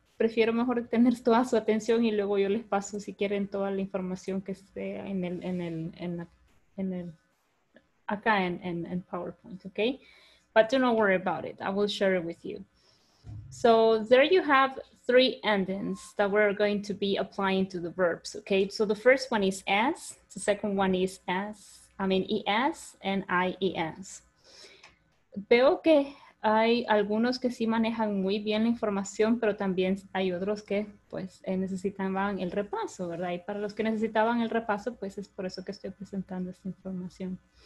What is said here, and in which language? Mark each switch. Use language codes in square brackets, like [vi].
[es] Prefiero mejor tener toda su atención y luego yo les paso, si quieren, toda la información que esté en el acá en PowerPoint, okay? [en] But do not worry about it. I will share it with you. So there you have three endings that we're going to be applying to the verbs, okay? So the first one is S, the second one is S, I mean ES and IES. [es] Veo que hay algunos que sí manejan muy bien la información, pero también hay otros que pues necesitaban el repaso, ¿verdad? Y para los que necesitaban el repaso, pues es por eso que estoy presentando esta información.